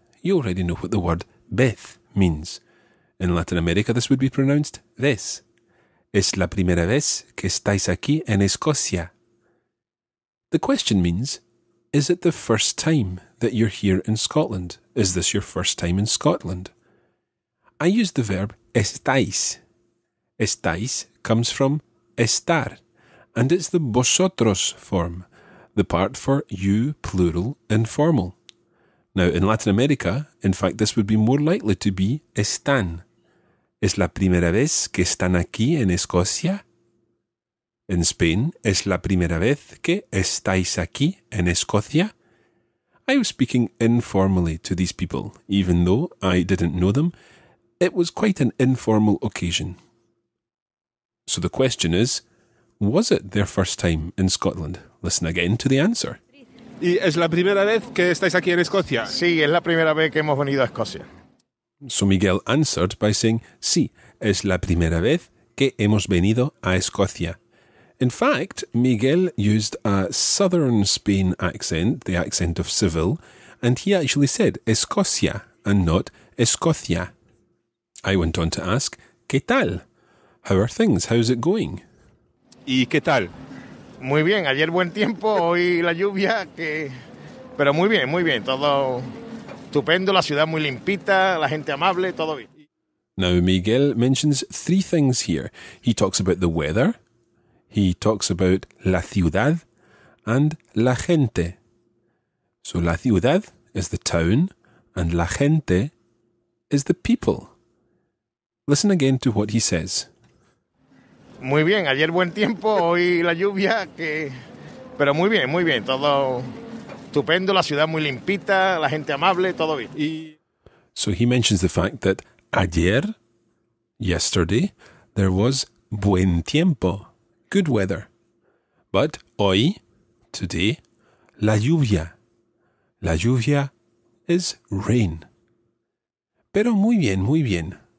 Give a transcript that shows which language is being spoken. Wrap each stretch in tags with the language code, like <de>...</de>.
<en>You already know what the word vez means. In Latin America, this would be pronounced this.</en> <es>Es la primera vez que estáis aquí en Escocia.</es> <en>The question means, is it the first time that you're here in Scotland? Is this your first time in Scotland? I use the verb estáis. Estáis comes from estar, and it's the vosotros form, the part for you plural informal. Now, in Latin America, in fact, this would be more likely to be están.</en> <es>¿Es la primera vez que están aquí en Escocia?</es> <en>In Spain,</en> <es>¿es la primera vez que estáis aquí en Escocia?</es> <en>I was speaking informally to these people. Even though I didn't know them, it was quite an informal occasion. So the question is, was it their first time in Scotland? Listen again to the answer.</en> <es>¿Y es la primera vez que estáis aquí en Escocia? Sí, es la primera vez que hemos venido a Escocia.</es> <en>So Miguel answered by saying,</en> <es>sí, es la primera vez que hemos venido a Escocia.</es> <en>In fact, Miguel used a southern Spain accent, the accent of Seville, and he actually said Escocia and not Escocia. I went on to ask,</en> <es>¿qué tal?</es> <en>How are things? How's it going?</en> <es>¿Y qué tal? Muy bien, ayer buen tiempo, hoy la lluvia, que... Pero muy bien, todo estupendo, la ciudad muy limpita, la gente amable, todo bien.</es> <en>Now Miguel mentions three things here. He talks about the weather, he talks about la ciudad, and la gente. So la ciudad is the town, and la gente is the people. Listen again to what he says.</en> <es>Muy bien, ayer buen tiempo, hoy la lluvia, que... Pero muy bien, todo estupendo, la ciudad muy limpita, la gente amable, todo bien. Y...</es> <en>So he mentions the fact that ayer, yesterday, there was</en> <es>buen tiempo,</es> <en>good weather.</en> <es>But hoy, today, la lluvia. La lluvia</es> <en>is rain.</en> <es>Pero muy bien.</es>